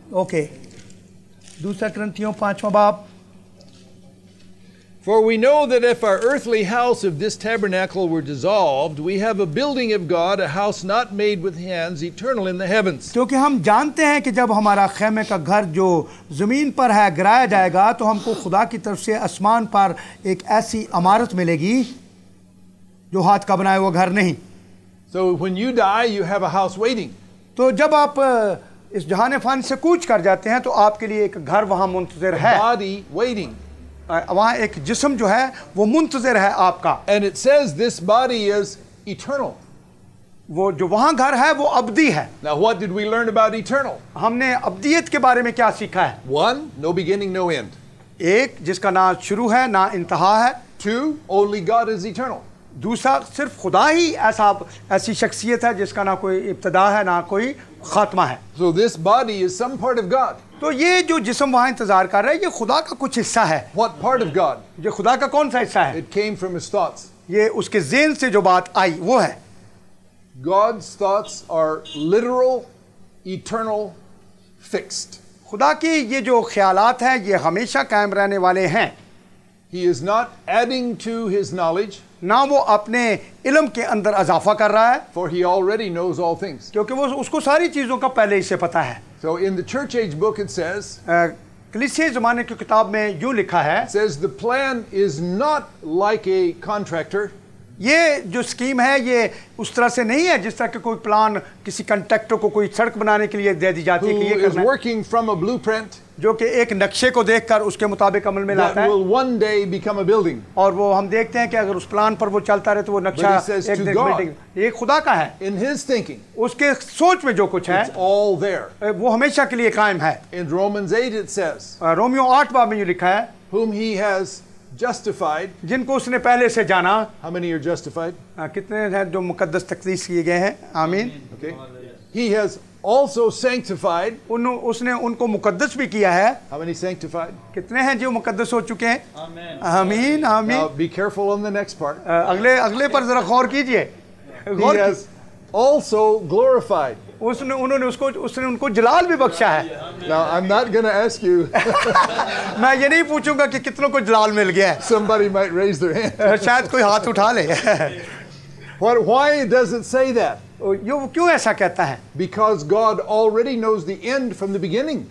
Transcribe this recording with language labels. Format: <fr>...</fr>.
<hi>Okay, दूसरा करिंथियों पांचवां बाब.</hi> <en>For we know that if our earthly house of this tabernacle were dissolved, we have a building of God, a house not made with hands, eternal in the heavens.</en> <hi>क्योंकि हम जानते हैं कि जब हमारा खेमे का घर जो जमीन पर है गिराया जाएगा तो हमको खुदा की तरफ से आसमान पर एक ऐसी इमारत मिलेगी जो हाथ का बनाया हुआ घर नहीं.</hi> <en>So when you die, you have a house waiting.</en> <hi>तो जब आप इस जहान फान से कूच कर जाते हैं तो आपके लिए एक घर वहां मुंतजर है.</hi> <en>Body waiting.</en> <hi>वहाँ एक जिस्म जो है वो मुंतजर है आपका.</hi> <en>And it says this body is eternal.</en> <hi>वो जो वहाँ घर है वो अबदी है.</hi> <en>Now what did we learn about eternal?</en> <hi>हमने अबदियत के बारे में क्या सीखा है?</hi> <en>One, no beginning, no end.</en> <hi>एक जिसका ना शुरू है ना इंतहा है.</hi> <en>Two, only God is eternal.</en> <hi>दूसरा सिर्फ खुदा ही ऐसा ऐसी शख्सियत है जिसका ना कोई इब्तदा है ना कोई खात्मा है.</hi> <en>So this body is some part of God.</en> <hi>तो ये जो जिस्म वहां इंतजार कर रहा है ये खुदा का कुछ हिस्सा है.</hi> <en>What part of God?</en> <hi>ये खुदा का कौन सा हिस्सा है?</hi> <en>It came from his thoughts.</en> <hi>ये उसके ज़हन से जो बात आई वो है.</hi> <en>God's thoughts are literal, eternal, fixed.</en> <hi>खुदा के ये जो ख्यालात हैं ये हमेशा कायम रहने वाले हैं.</hi> <en>He is not adding to his knowledge.</en> <hi>ना वो अपने इल्म के अंदर अजाफा कर रहा है.</hi> <en>For he already knows all things.</en> <hi>क्योंकि वो उसको सारी चीजों का पहले ही से पता है.</hi> <en>So in the church age book it says,</en> <hi>कलीसिया ज़माने की किताब में यूं लिखा है,</hi> <en>it says the plan is not like a contractor.</en> <hi>ये जो स्कीम है ये उस तरह से नहीं है जिस तरह के कोई प्लान किसी कॉन्ट्रैक्टर को कोई सड़क बनाने के लिए दे दी जाती है कि ये करना है.</hi> <en>Who is working from a blueprint?</en> <hi>जो कि एक नक्शे को देखकर उसके मुताबिक अमल में लाता है.</hi> <en>That will one day become a building.</en> <hi>और वो हम देखते हैं कि अगर उस प्लान पर वो चलता रहे तो वो नक्शा एक दिन बिल्डिंग. ये खुदा का है.</hi> <en>In his thinking.</en> <hi>उसके सोच में जो कुछ है.</hi> <en>It's all there.</en> <hi>वो हमेशा के लिए कायम है.</hi> <en>In Romans 8 it says.</en> <hi>Romeo 8 बाब में ये लिखा है.</hi> <en>Whom he has justified.</en> <hi>जिनको उसने पहले से जाना.</hi> <en>How many are justified?</en> <hi>कितने हैं जो मुकद्दस तकदीस किए गए हैं. आमीन.</hi> <en>Okay. He has also sanctified.</en> <hi>उसने उनको मुकद्दस भी किया है.</hi> <en>How many sanctified?</en> <hi>कितने हैं जो मुकद्दस हो चुके हैं. आमीन. आमीन.</hi> <en>Be careful on the next part.</en> <hi>अगले पर जरा गौर कीजिए.</hi> <en>He has also glorified.</en> <hi>उसने उनको जलाल भी बख्शा है.</hi> <en>Now I'm not going to ask you.</en> <hi>मैं ये नहीं पूछूंगा कि कितनों को जलाल मिल गया है.</hi> <en>Somebody might raise their hand.</en> <hi>शायद कोई हाथ उठा ले.</hi> <en>Why does it say that?</en> <hi>यो क्यों ऐसा कहता है?</hi> <en>Because God already knows the end from the beginning.</en>